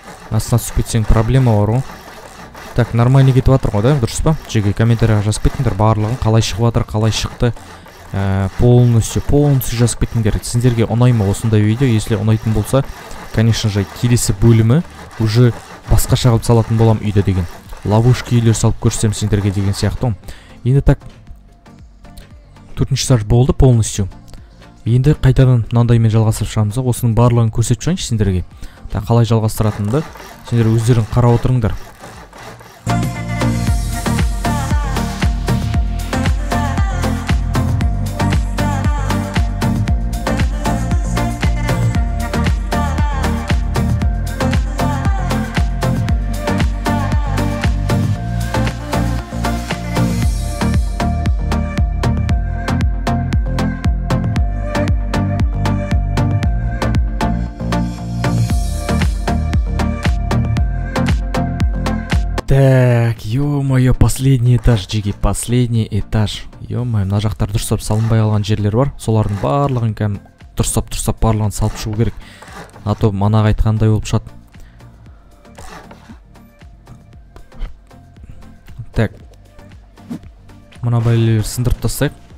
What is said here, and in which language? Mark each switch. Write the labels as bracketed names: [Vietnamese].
[Kazakh] Астына түсіп кетсең проблема бар ғой. Так, нормально кетіп жатыр ғой, да, дұрыс па? Жеке комментарияға жазып кетіңдер барлығын, қалай шығып жатыр, қалай шықты. Полностью жазып кетіңдер. Сіздерге ұнай ма осындай видео? Если ұнайтын болса, конечно же, келесі бөлімі уже басқаша қылып салатын боламын үйде деген. Ловушки үйлер салып көрсетем сендерге деген сияқты. Енді так 4-ші саж болды полностью. Енді қайтадан мынандаймен жалғастырып шығамыз. Осының барлығын көрсетіп шығайыншы сендерге. Так, қалай жалғастыратынымды сендер өздерің қарап отырыңдар. [Russian] Так, ё-моё, последний этаж, джиги, последний этаж. [Kazakh] Ё-моё, мына жақтар дұрыстап салынбай алған жерлер бар. Солардың барлығын кәм дұрыстап барлығын салып шығу керек. А то манағы айтқандай болып шығады. Так. Мына бәлелер сындырып тастайық.